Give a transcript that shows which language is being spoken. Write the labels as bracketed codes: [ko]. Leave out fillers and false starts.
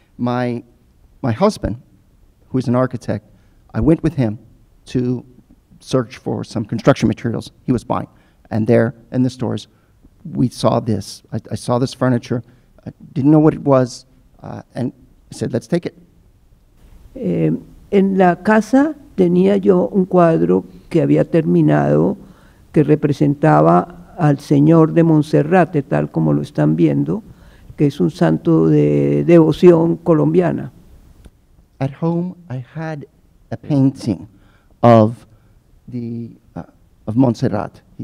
[en] My husband, who is an architect, I went with him to search for some construction materials he was buying, and there in the stores we saw this. I saw this furniture, I didn't know what it was, and said, let's take it. [es] En la casa tenía yo un cuadro que había terminado, que representaba al Señor de Monserrate, tal como lo están viendo, que es un santo de devoción colombiana. [en] At home, I had a painting of the of Montserrat.